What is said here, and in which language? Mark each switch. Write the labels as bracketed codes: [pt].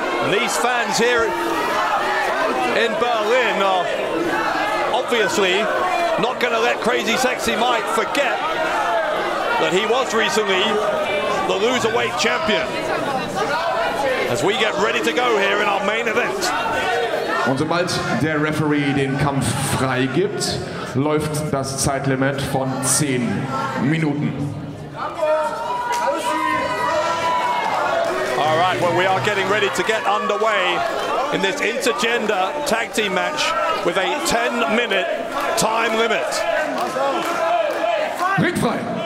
[en] These fans here in Berlin are obviously not going to let Crazy Sexy Mike forget that he was recently the loserweight champion. As we get ready to go here in our main event. [de] Und sobald der Referee den Kampf freigibt, läuft das Zeitlimit von 10 Minuten. [en] Alright, well, we are getting ready to get underway in this intergender tag team match with a 10-minute time limit. [de] Ring frei.